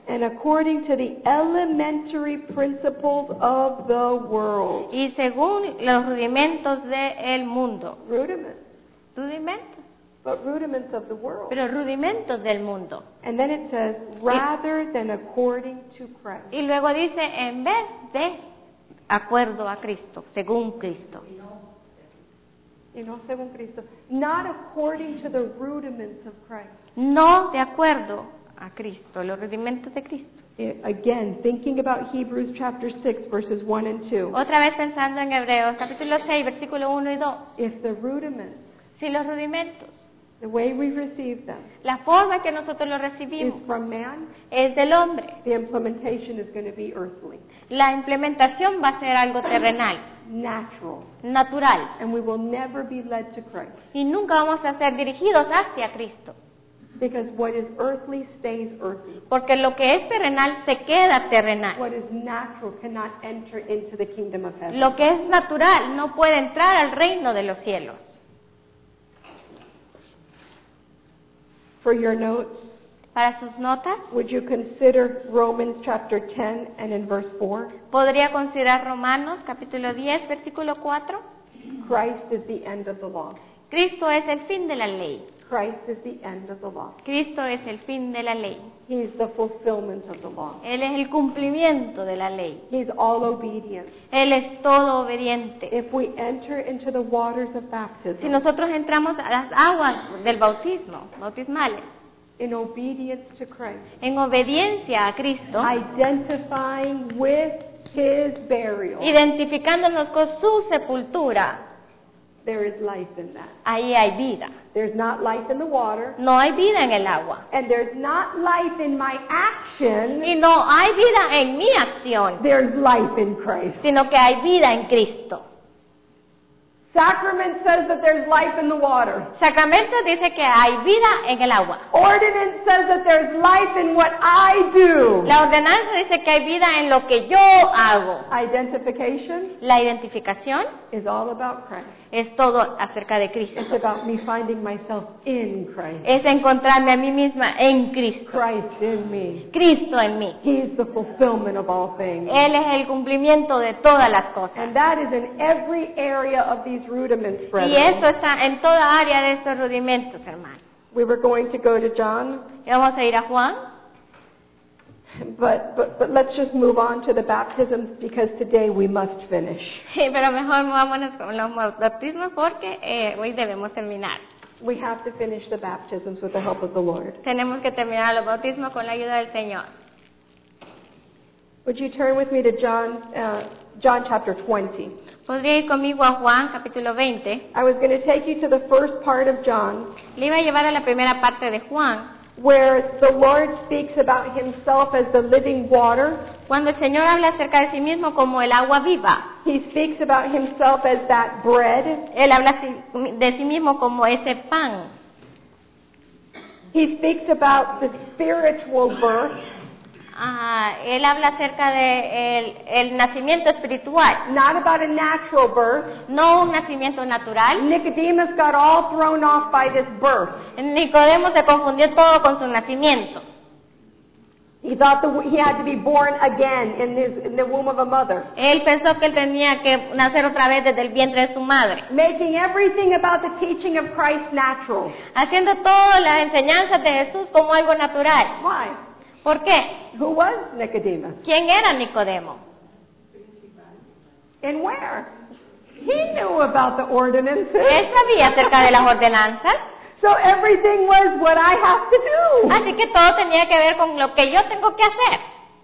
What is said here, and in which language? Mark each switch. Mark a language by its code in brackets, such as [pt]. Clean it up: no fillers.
[en] And according to the elementary principles of the world. [es] Y según los rudimentos del mundo. [en] Rudiments. [es] Rudimentos. [en] But rudiments of the world. [es] Pero rudimentos del mundo. [en] And then it says, rather than according to Christ. [es] Y luego dice, en vez de acuerdo a Cristo, según Cristo. Y no según Cristo, [en] not according to the rudiments of Christ. [es] No de acuerdo a Cristo, los rudimentos de Cristo. [en] Again, thinking about Hebrews chapter 6, verses 1 and 2. [es] Otra vez pensando en Hebreos, capítulo 6, versículo 1 y 2. [en] If the rudiments, [es] si los rudimentos, [en] the way we receive them, [es] la forma que nosotros los recibimos, [en] is from man, [es] es del hombre, [en] the implementation is going to be earthly. [es] La implementación va a ser algo terrenal. [en] Natural. [es] Natural. [en] And we will never be led to Christ. [es] Y nunca vamos a ser dirigidos hacia Cristo. [en] Because what is earthly stays earthly. [es] Porque lo que es terrenal se queda terrenal. [en] What is natural cannot enter into the kingdom of heaven. [es] Lo que es natural no puede entrar al reino de los cielos. [en] For your notes, [es] para sus notas. [en] Would you consider Romans chapter 10 and in verse 4? [es] ¿Podría considerar Romanos capítulo 10 versículo 4? [en] Christ is the end of the law. [es] Cristo es el fin de la ley. [en] Christ is the end of the law. [es] Cristo es el fin de la ley. [en] He is the fulfillment of the law. [es] Él es el cumplimiento de la ley. [en] He is all obedience. [es] Él es todo obediente. [en] If we enter into the waters of baptism, [es] si nosotros entramos a las aguas del bautismo, bautismales, [en] in obedience to Christ, [es] en obediencia a Cristo, [en] identifying with his burial, [es] identificándonos con su sepultura, [en] there is life in that. [es] Ahí hay vida. [en] There's not life in the water. [es] No hay vida en el agua. [en] And there's not life in my action. [es] Y no hay vida en mi acción. [en] There's life in Christ. [es] Sino que hay vida en Cristo. [en] Sacrament says that there's life in the water. [es] Sacramento dice que hay vida en el agua. [en] Ordinance says that there's life in what I do. [es] La ordenanza dice que hay vida en lo que yo hago. [en] Identification. [es] La identificación. [en] Is all about Christ. [es] Es todo acerca de Cristo. [en] It's about me finding myself in Christ. [es] Es encontrarme a mí misma en Cristo. [en] Christ in me. [es] Cristo en mí. [en] He is the fulfillment of all things. [es] Él es el cumplimiento de todas las cosas. [en] And that is in every area of these rudiments, brethren. [es] Y eso está en toda área de estos rudimentos, hermanos. [en] We were going to go to John. [es] Vamos a ir a Juan. [en] But let's just move on to the baptisms because today we must finish. [es] Sí, pero mejor vámonos con los bautismos porque hoy debemos terminar. [en] We have to finish the baptisms with the help of the Lord. [es] Tenemos que terminar los bautismos con la ayuda del Señor. [en] Would you turn with me to John chapter 20? [es] ¿Podría ir conmigo a Juan capítulo 20? [en] I was going to take you to the first part of John. [es] Le iba a llevar a la primera parte de Juan. [en] Where the Lord speaks about himself as the living water. [es] Cuando el Señor habla acerca de sí mismo como el agua viva. [en] He speaks about himself as that bread. [es] Él habla de sí mismo como ese pan. [en] He speaks about the spiritual birth. [es] Él habla acerca de el nacimiento espiritual. [en] Not about a natural birth. [es] No un nacimiento natural. [en] Nicodemus got all thrown off by this birth. [es] Nicodemo se confundió todo con su nacimiento. [en] He thought he had to be born again in the womb of a mother. [es] Él pensó que él tenía que nacer otra vez desde el vientre de su madre. [en] Making everything about the teaching of Christ natural. [es] Haciendo todas las enseñanzas de Jesús como algo natural. [en] Why? [es] ¿Por qué? [en] Who was Nicodemus? [es] ¿Quién era Nicodemo? [en] And where? He knew about the ordinances. [es] Él sabía acerca de las ordenanzas. [en] So everything was what I have to do. [es] Así que todo tenía que ver con lo que yo tengo que hacer.